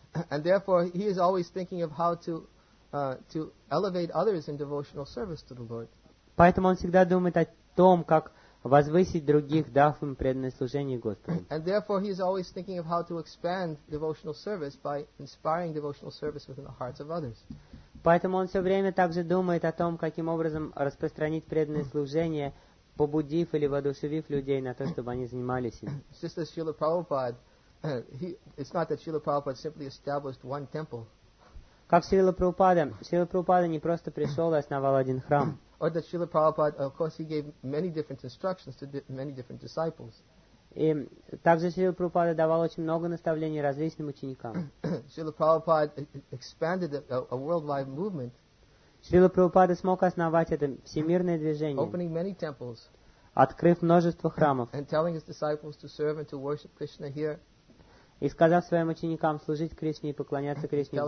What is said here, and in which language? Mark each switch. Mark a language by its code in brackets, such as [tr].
[en] And therefore, he is always thinking of how to elevate others in devotional service to the Lord. [ru] Поэтому он всегда думает о том, как возвысить других, дав им преданное служение Господу. [en] And therefore, he is always thinking of how to expand devotional service by inspiring devotional service within the hearts of others. [ru] Поэтому он все время также думает о том, каким образом распространить преданное служение, побудив или воодушевив людей на то, чтобы они занимались им. [en] Sister Srila Prabhupada. It's not that Srila Prabhupada simply established one temple. [ru] Как Srila Prabhupada не просто пришел и основал один храм. [en] Or that Srila Prabhupada, of course, he gave many different instructions to many different disciples. [ru] И также Srila Prabhupada давал очень много наставлений различным ученикам. [en] Srila Prabhupada expanded a worldwide movement. [ru] Srila Prabhupada смог основать это всемирное движение. [en] Opening many temples. [ru] Открыв множество храмов. [en] And telling his disciples to serve and to worship Krishna here. [ru] И сказав своим ученикам служить Кришне и поклоняться Кришне в